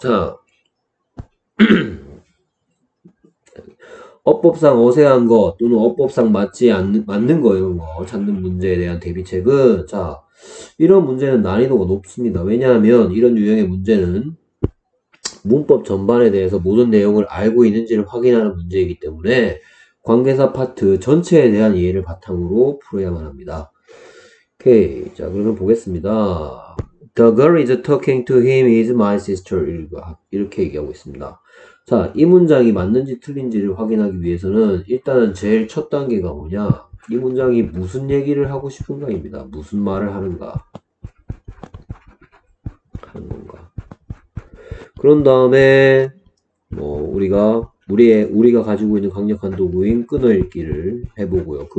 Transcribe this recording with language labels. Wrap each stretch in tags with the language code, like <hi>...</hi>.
<ko>자, 어법상 어색한 것 또는 어법상 맞는 거 이런 거 찾는 문제에 대한 대비책은 자 이런 문제는 난이도가 높습니다. 왜냐하면 이런 유형의 문제는 문법 전반에 대해서 모든 내용을 알고 있는지를 확인하는 문제이기 때문에 관계사 파트 전체에 대한 이해를 바탕으로 풀어야만 합니다. 오케이, 자 그러면 보겠습니다.</ko> <en>The girl is talking to him is my sister.</en> <ko>이렇게 얘기하고 있습니다. 자, 이 문장이 맞는지 틀린지를 확인하기 위해서는 일단은 제일 첫 단계가 뭐냐? 이 문장이 무슨 얘기를 하고 싶은가입니다. 무슨 말을 하는가? 그런 다음에, 뭐, 우리가 가지고 있는 강력한 도구인 끊어읽기를 해보고요.</ko>